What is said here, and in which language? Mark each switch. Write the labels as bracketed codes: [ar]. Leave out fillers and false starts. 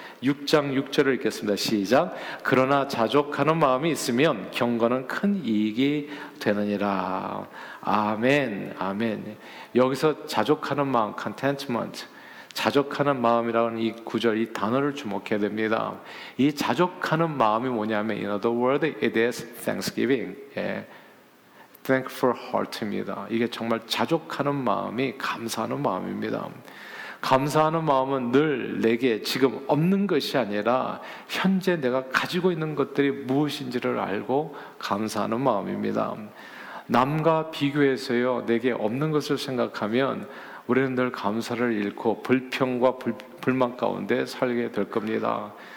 [ko] 6장 6절을 읽겠습니다. 시작. 그러나 자족하는 마음이 있으면 경건은 큰 이익이 되느니라. 아멘. 아멘. 여기서 자족하는 마음, contentment, 자족하는 마음이라는 이 구절, 이 단어를 주목해야 됩니다. 이 자족하는 마음이 뭐냐면 [en] in other words, it is thanksgiving. [ko] 예. [en] Thankful heart [ko] 입니다. 이게 정말 자족하는 마음이 감사하는 마음입니다. 감사하는 마음은 늘 내게 지금 없는 것이 아니라 현재 내가 가지고 있는 것들이 무엇인지를 알고 감사하는 마음입니다. 남과 비교해서요, 내게 없는 것을 생각하면 우리는 늘 감사를 잃고 불평과 불만 가운데 살게 될 겁니다.